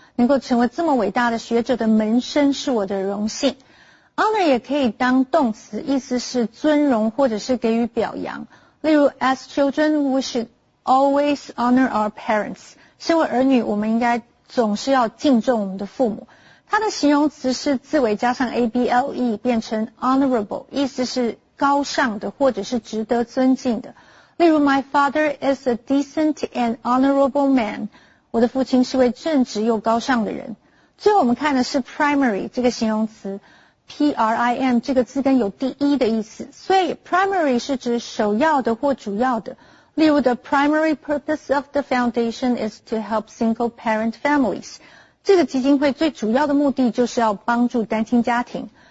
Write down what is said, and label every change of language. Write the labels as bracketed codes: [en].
[zh] 能够成为这么伟大的学者的门生是我的荣幸。 Honor 也可以当动词，意思是尊荣或者是给予表扬。例如 [en] As children, we should always honor our parents. [zh] 身为儿女，我们应该总是要敬重我们的父母。它的形容词是字尾加上 able, 变成 honorable, 意思是高尚的或者是值得尊敬的。例如 [en] My father is a decent and honorable man. [zh] 我的父亲是位正直又高尚的人。最后我们看的是 primary 这个形容词 ,prim 这个字根有第一的意思。所以 primary 是指首要的或主要的。例如 [en] The primary purpose of the foundation is to help single parent families. [zh] 这个基金会最主要的目的就是要帮助单亲家庭。